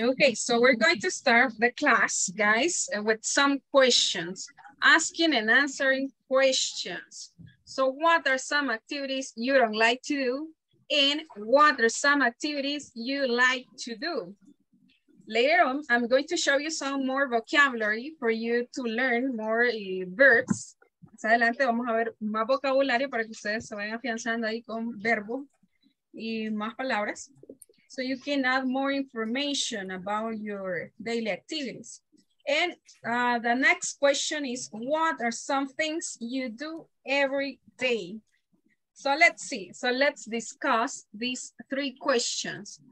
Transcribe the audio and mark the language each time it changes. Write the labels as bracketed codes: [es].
[en] Okay, so we're going to start the class, guys, with some questions, asking and answering questions. So what are some activities you don't like to do? And what are some activities you like to do? Later on, I'm going to show you some more vocabulary for you to learn more verbs. [es] Más adelante vamos a ver más vocabulario para que ustedes se vayan afianzando ahí con verbo y más palabras. [en] So you can add more information about your daily activities. And the next question is, what are some things you do every day? So let's see. So let's discuss these three questions.